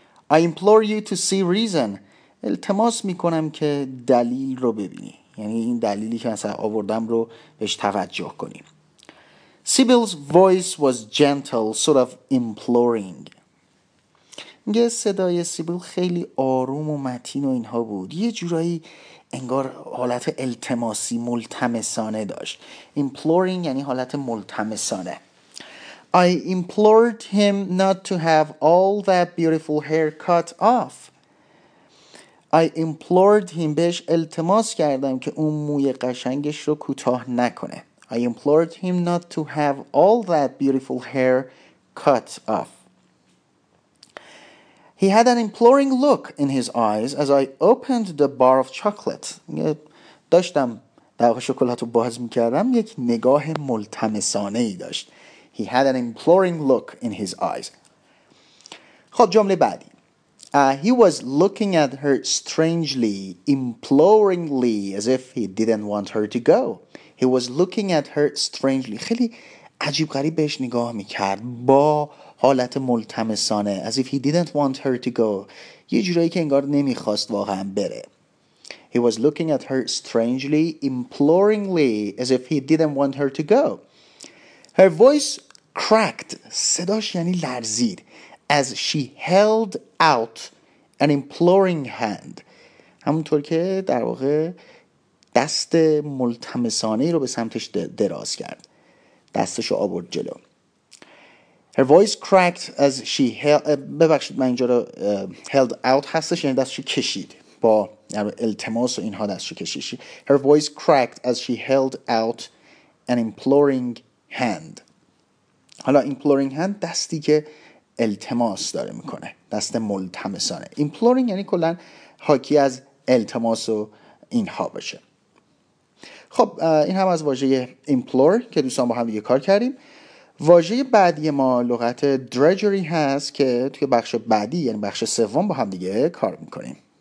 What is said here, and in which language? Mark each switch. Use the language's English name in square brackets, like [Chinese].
[English] I implore you to see reason. [Persian] التماس میکنم که دلیل رو ببینی، یعنی این دلیلی که مثلا آوردم رو بهش توجه کنی. [English] Sybil's voice was gentle, sort of imploring. [Persian] میگه صدای سیبیل خیلی آروم و متین و اینها بود، یه جورایی انگار حالت التماسی ملتمسانه داشت. Imploring یعنی حالت ملتمسانه. [English] I implored him not to have all that beautiful hair cut off. I implored him، [Persian] بهش التماس کردم که اون موی قشنگش رو کوتاه نکنه. [English] I implored him not to have all that beautiful hair cut off. He had an imploring look in his eyes as I opened the bar of chocolate. [Persian] داشتم در شکلات رو باز میکردم، یک نگاه ملتمسانه ای داشت. [English] He had an imploring look in his eyes. [Persian] خب جمله بعدی. [English] He was looking at her strangely, imploringly, as if he didn't want her to go. He was looking at her strangely. [Persian] خیلی عجیب غریب بهش نگاه میکرد با حالت ملتمسانه. [English] As if he didn't want her to go. [Persian] یه جورایی که انگار نمیخواست واقعا بره. [English] He was looking at her strangely, imploringly, as if he didn't want her to go. Her voice cracked. [Persian] صداش یعنی لرزید. [English] As she held out an imploring hand. [Persian] همونطور که در واقع دست ملتمسانه رو به سمتش دراز کرد، دستش رو آورد جلو. [English] Her voice cracked as she [Persian] ببخشید من اینجا رو [English] held out [Persian] هستش، یعنی دستش کشید با التماس و اینها دستش کشید. [English] Her voice cracked as she held out an imploring hand. [Persian] حالا [English] imploring hand [Persian] دستی که التماس داره میکنه، دست ملتمسانه. Imploring یعنی کلن حاکی از التماس و اینها باشه. خب این هم از واژه implore که دوستان با هم دیگه کار کردیم. واژه بعدی ما لغت drudgery هست که توی بخش بعدی، یعنی بخش سوم، با هم دیگه کار میکنیم.